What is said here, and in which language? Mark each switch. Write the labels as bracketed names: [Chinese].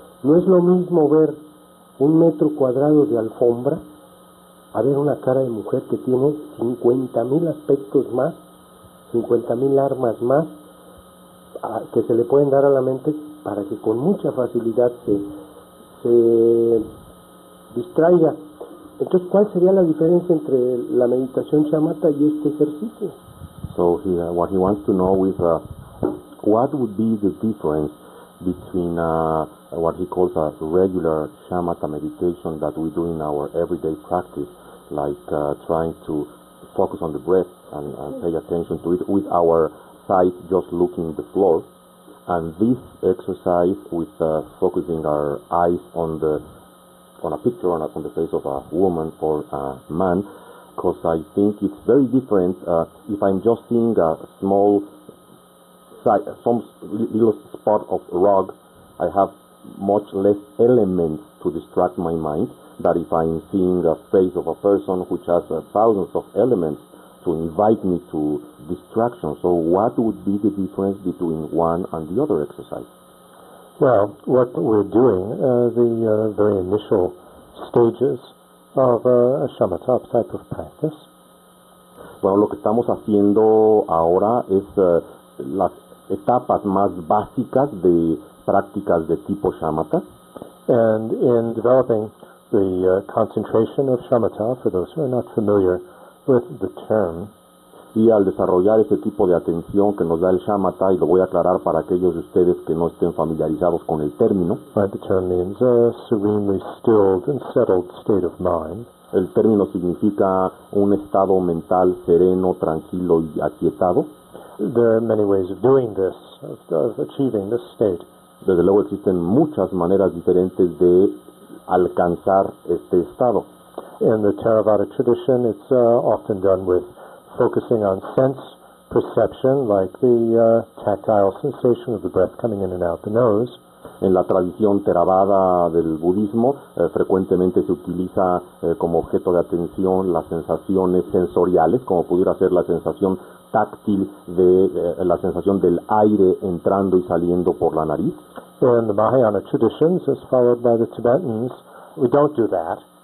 [Spanish] No es lo mismo ver un metro cuadrado de alfombra a ver una cara de mujer que tiene 50,000 aspectos más, 50,000 armas más que se le pueden dar a la mente para que con mucha facilidad se distraiga. Entonces, ¿cuál sería la diferencia entre la meditación shamatha y este ejercicio? [English] So what he wants to know is what would be the difference between what he calls a regular shamatha meditation that we do in our everyday practice, like trying to focus on the breath and pay attention to it with our sight just looking the floor, and this exercise with focusing our eyes on a picture on the face of a woman or a man, because I think it's very different if I'm just seeing a small side, some little spot of rug, I have much less elements to distract my mind than if I'm seeing a face of a person which has thousands of elements to invite me to distraction. So what would be the difference between one and the other exercise? Well, what we're doing, the very initial stages of a shamatha type of practice. [Spanish] Bueno, lo que estamos haciendo ahora es las etapas más básicas de prácticas de tipo shamatha. [English] And in developing the concentration of shamatha, for those who are not familiar with the term, [Spanish] y al desarrollar este tipo de atención que nos da el shamatha, y lo voy a aclarar para aquellos de ustedes que no estén familiarizados con el término, [English] right, the term means a serenely stilled and settled state of mind. [Spanish] El término significa un estado mental sereno, tranquilo y aquietado. [English] There are many ways of doing this, of achieving this state. [Spanish] Desde luego existen muchas maneras diferentes de alcanzar este estado. [English] In the Theravada tradition, it's often done with focusing on sense perception, like the tactile sensation of the breath coming in and out the nose. [Spanish] En la tradición Theravada del budismo, frecuentemente se utiliza como objeto de atención las sensaciones sensoriales, como pudiera ser la sensación táctil de la sensación del aire entrando y saliendo por la nariz. [English] In the Mahayana traditions, as followed by the Tibetans, we don't do that.